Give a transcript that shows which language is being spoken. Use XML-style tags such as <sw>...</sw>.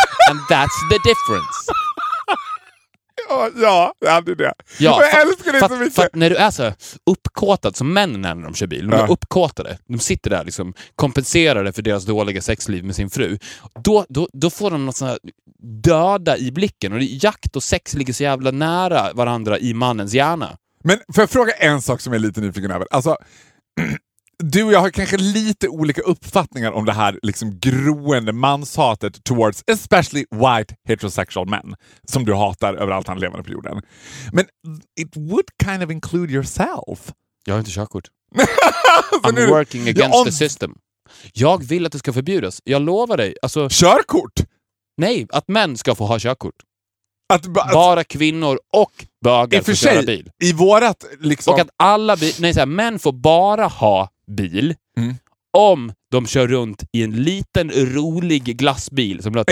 <en>And that's the difference.</en> <sv>Ja, det hade det. Ja, jag älskar det så mycket. För när du är så uppkåtad som män när de kör bil, de är uppkåtade, de sitter där liksom, kompenserade för deras dåliga sexliv med sin fru, då får de något sådana döda i blicken. Och jakt och sex ligger så jävla nära varandra i mannens hjärna. Men får jag fråga en sak som jag är lite nyfiken över? Alltså, du och jag har kanske lite olika uppfattningar om det här liksom groende manshatet</sv> <en>towards especially white heterosexual men</en> <sv>som du hatar överallt han lever på jorden.</sv> <en>Men it would kind of include yourself.</en> <sv>Jag har inte körkort.</sv> <en>I'm nu, working against the system.</en> <sv>Jag vill att det ska förbjudas. Jag lovar dig. Alltså, körkort? Nej, att män ska få ha körkort. Bara kvinnor och bögar får köra bil. I vårat liksom... Och att alla män får bara ha bil om de kör runt i en liten rolig glassbil som låter</sv>